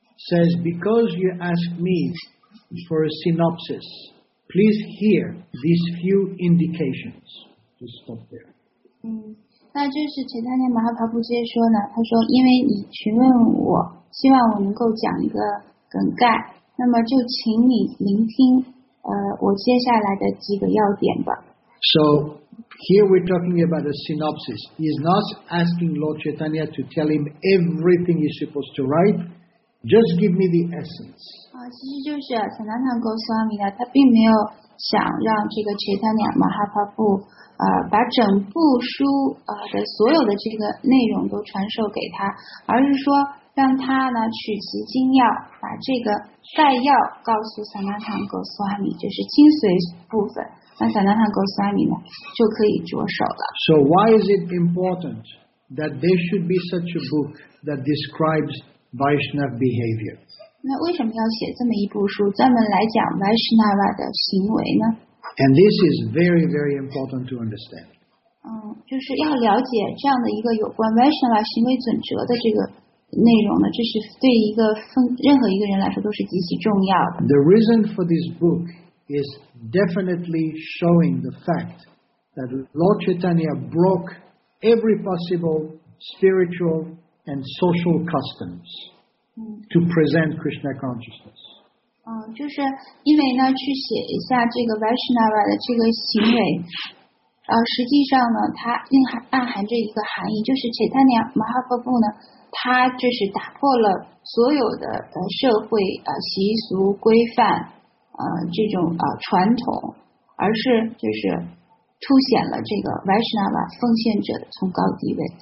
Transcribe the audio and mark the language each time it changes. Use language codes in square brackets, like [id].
[en] Says, because you ask me for a synopsis, please hear these few indications. Just stop there. [zh] 那就是前三天马哈帕布接说呢，他说因为你询问我，希望我能够讲一个梗概，那么就请你聆听我接下来的几个要点吧。 [en] So, here we're talking about a synopsis. He is not asking Lord Chaitanya to tell him everything he's supposed to write. Just give me the essence. [zh] 其实就是 Sanatan Goswami 呢，他并没有想让这个 Chaitanya Mahaprabhu 把整部书的所有的这个内容都传授给他，而是说让他呢取其精要，把这个概要告诉 Sanatan Goswami， 就是精髓部分。那 Sanatan Goswami 呢就可以着手了。 [en] So why is it important that there should be such a book that describes? Vaishnava behavior. [zh] 那为什么要写这么一部书，专门来讲 Vaishnava 的行为呢？ [en] And this is very, very important to understand. [zh] 就是要了解这样的一个有关 Vaishnava 行为准则的这个内容呢，这是对一个任何一个人来说都是极其重要的。 [en] The reason for this book is definitely showing the fact that Lord Chaitanya broke every possible spiritual and social customs. to present Krishna consciousness. [zh] 就是因为呢，去写一下这个 Vaishnava 的这个行为，实际上呢，它暗含着一个含义，就是 Chaitanya Mahaprabhu 呢，他就是打破了所有的社会习俗规范，这种传统，而是就是凸显了这个 Vaishnava 奉献者的崇高地位。